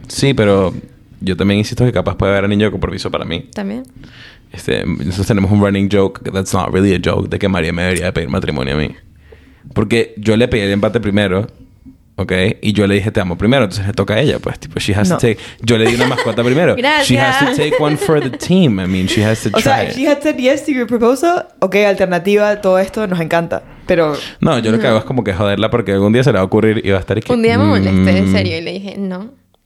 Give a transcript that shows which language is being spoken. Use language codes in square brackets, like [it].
[es] Sí, pero yo también insisto que capaz puede haber anillo de compromiso para mí. También. Nosotros tenemos un running joke, that's not really a joke, de que María me debería pedir matrimonio a mí. Porque yo le pedí el empate primero, ¿ok? Y yo le dije te amo primero, entonces le toca a ella, pues. Tipo, she has to take... Yo le di una mascota primero. Gracias. [en] She has to take one for the team. I mean, she has to try. O sea, she had said yes to your proposal. [es] Ok, alternativa, todo esto, nos encanta. Pero... No, yo lo que hago es como que joderla porque algún día se le va a ocurrir y va a estar aquí. Un día me molesté, en serio, y le dije no.